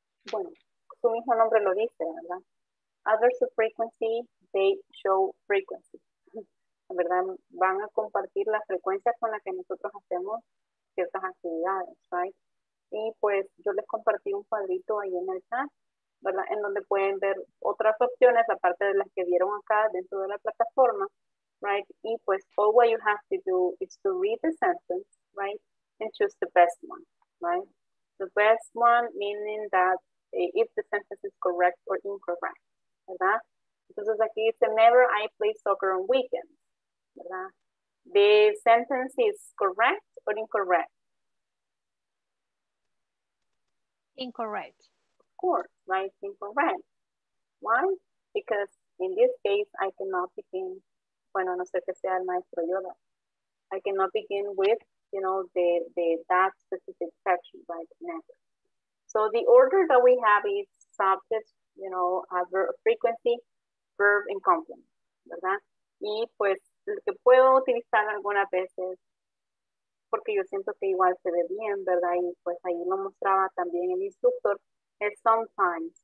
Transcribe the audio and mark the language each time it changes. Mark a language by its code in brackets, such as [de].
[es] Bueno, su mismo nombre lo dice, ¿verdad? [en] Adverbs of frequency, they show frequency. [es] ¿Verdad? Van a compartir la frecuencia con la que nosotros hacemos ciertas actividades, [en] right? [es] Y pues yo les compartí un cuadrito ahí en el chat, ¿verdad? En donde pueden ver otras opciones, aparte de las que vieron acá dentro de la plataforma, [en] right? [es] Y pues [en] all what you have to do is to read the sentence, right? And choose the best one, right? The best one meaning that if the sentence is correct or incorrect, [es] ¿verdad? Entonces aquí dice, [en] never I play soccer on weekends. [es] ¿Verdad? [en] The sentence is correct or incorrect? Incorrect. Of course, right? Incorrect. Why? Because in this case, I cannot begin, [es] bueno, no sé que sea el maestro Yoda. [en] I cannot begin with, you know, that specific section, right? Never. So the order that we have is subject, you know, adverb of frequency, verb, and complement. [es] ¿Verdad? Y pues, lo que puedo utilizar algunas veces, porque yo siento que igual se ve bien, ¿verdad? Y pues ahí lo mostraba también el instructor, es sometimes.